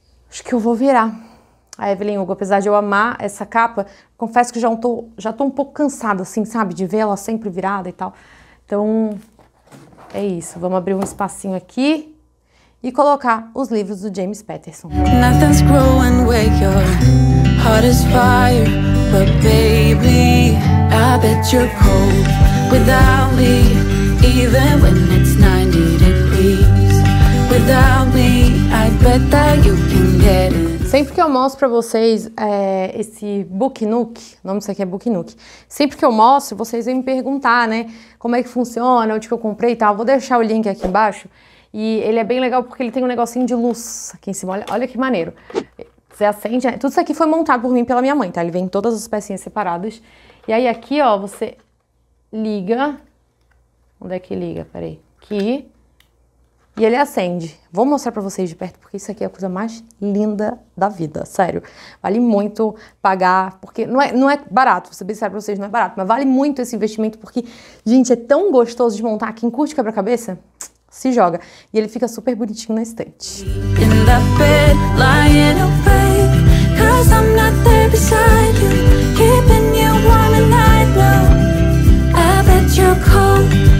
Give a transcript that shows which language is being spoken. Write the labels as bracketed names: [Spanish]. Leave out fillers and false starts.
[Portuguese] Acho que eu vou virar a Evelyn Hugo, apesar de eu amar essa capa, confesso que já tô um pouco cansada, assim, sabe, de ver ela sempre virada e tal. Então, é isso, vamos abrir um espacinho aqui e colocar os livros do James Patterson. [English] Nothing's growing where your heart is fire, but baby, I bet you're cold without me, even when it's 90 degrees. Without me, I bet that you can get it. [Portuguese] Sempre que eu mostro pra vocês esse book nook, o nome disso aqui é book nook, sempre que eu mostro, vocês vêm me perguntar, né, como é que funciona, onde que eu comprei e tal. Vou deixar o link aqui embaixo. E ele é bem legal porque ele tem um negocinho de luz aqui em cima. Olha que maneiro. Você acende, né? Tudo isso aqui foi montado por mim pela minha mãe, tá? Ele vem todas as pecinhas separadas. E aí aqui, ó, você liga. Onde é que liga? Peraí. Aqui. E ele acende. Vou mostrar pra vocês de perto, porque isso aqui é a coisa mais linda da vida, sério. Vale muito pagar, porque não é barato, vou ser bem sério pra vocês, não é barato, mas vale muito esse investimento, porque, gente, é tão gostoso de montar. Quem curte quebra-cabeça, se joga. E ele fica super bonitinho na estante. [English] In the bed, lying awake, 'cause I'm not there beside you, keeping you warm at night, no, I bet you're cold.